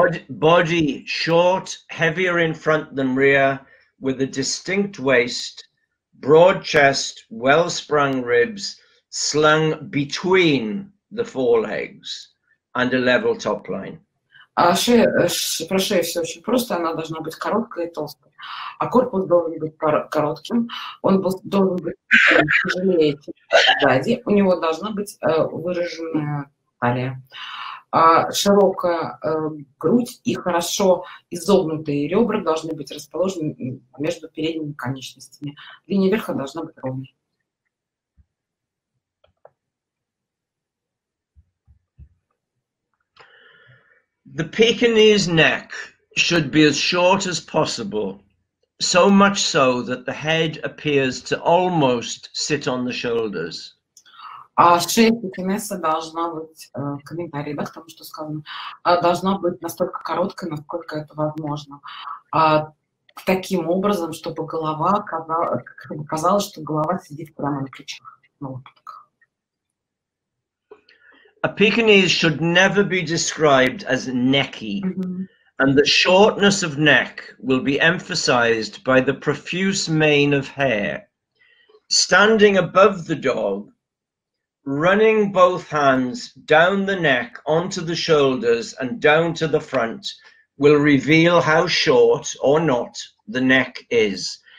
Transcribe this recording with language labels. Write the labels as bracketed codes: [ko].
[en] Body short, heavier in front than rear, with a distinct waist, broad chest, well-sprung ribs, slung between the forelegs, and a level top line. [ru] Про шею все очень просто, она должна быть короткой и толстой, а корпус должен быть коротким, он должен быть тяжелее, чем сзади, у него должна быть выраженная талия. Широкая грудь и хорошо изогнутые ребра должны быть расположены между передними конечностями. Линия верха должна быть ровной. [en] The Pekinese neck should be as short as possible, so much so that the head appears to almost sit on the shoulders. [ru] Шея пекинеса должна быть, комментарий, да, к тому, что сказано, должна быть настолько короткой, насколько это возможно. Таким образом, чтобы голова казалось, что голова сидит прямо на плечах. [en] A Pekinese should never be described as necky, and the shortness of neck will be emphasized by the profuse mane of hair. Standing above the dog, running both hands down the neck onto the shoulders and down to the front will reveal how short or not the neck is.